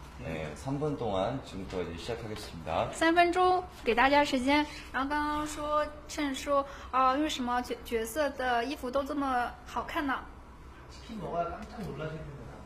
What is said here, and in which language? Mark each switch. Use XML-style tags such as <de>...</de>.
<ko>네, 3분 동안 지금부터 시작하겠습니다.</ko> <zh>3分钟给大家时间然后刚刚说趁说啊为什么角色的衣服都这么好看呢</zh> <ko>치킨 먹어야 깜짝 놀라겠는데.</ko>